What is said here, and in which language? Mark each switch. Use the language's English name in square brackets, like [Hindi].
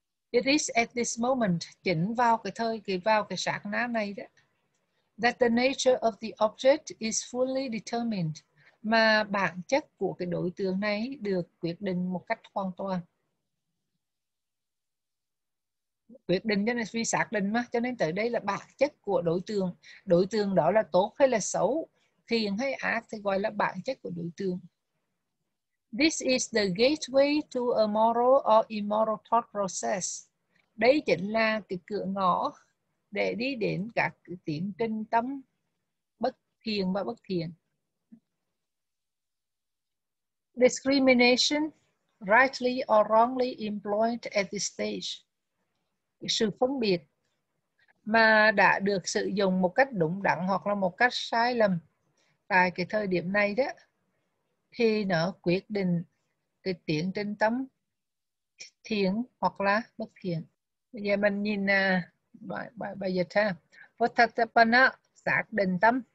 [English] It is at this moment, [Vietnamese] chỉnh vào cái thời kỳ, vào cái sát na này đó, [English] that the nature of the object is fully determined, [Vietnamese] mà bản chất của cái đối tượng này được quyết định một cách hoàn toàn. Quyết định cho nên vì xác định mà, cho nên tới đây là bản chất của đối tượng đó là tốt hay là xấu, thiện hay ác thì gọi là bản chất của đối tượng. [English] This is the gateway to a moral or immoral thought process. [Vietnamese] Đây chính là cái cửa ngõ để đi đến các tiến trình tâm bất thiện và bất thiện. [English] Discrimination, rightly or wrongly employed at this stage. [Vietnamese] Sự phân biệt mà đã được sử dụng một cách đúng đắn hoặc là một cách sai lầm tại cái thời điểm này đó, thì nó quyết định cái tiến trên tâm thiện hoặc là bất thiện. Bây giờ mình nhìn bài dịch ha. Vottapanna, xác định tâm.